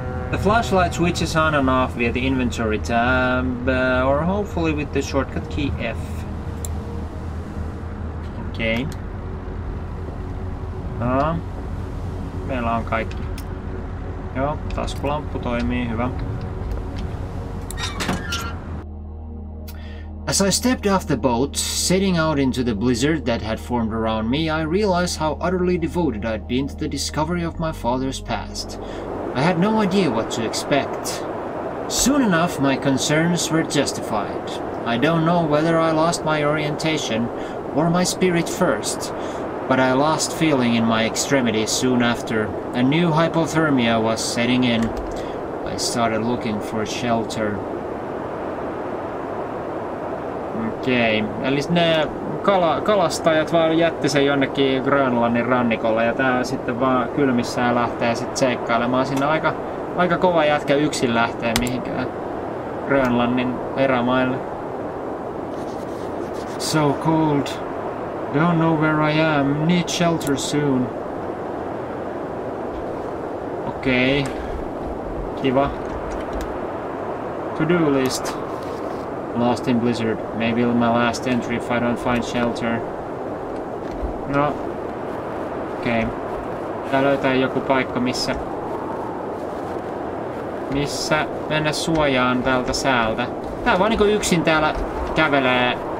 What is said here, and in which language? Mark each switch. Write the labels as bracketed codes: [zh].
[en] The flashlight switches on and off via the inventory tab, or hopefully with the shortcut key F. [fi] Okei. Okay. Meillä on kaikki. Joo, taskulamppu toimii, hyvä. [en] As I stepped off the boat, setting out into the blizzard that had formed around me, I realized how utterly devoted I'd been to the discovery of my father's past. I had no idea what to expect. Soon enough, my concerns were justified. I don't know whether I lost my orientation or my spirit first, but I lost feeling in my extremities soon after. A new hypothermia was setting in. I started looking for shelter. [fi] Okei, okay. Eli ne kalastajat vaan jätti sen jonnekin Grönlannin rannikolle ja tää sitten vaan kylmissään lähtee sitten seikkailemaan. Siinä aika kova jätkä yksin lähtee mihinkään Grönlannin erämaille. [en] So cold. Don't know where I am. Need shelter soon. Okei. Okay. Kiva. To-do list. Lost in blizzard. Maybe my last entry if I don't find shelter. [fi] No. Okei. Okay. Tää löytää joku paikka, missä mennä suojaan tältä säältä. Tää vaan niinku yksin täällä kävelee.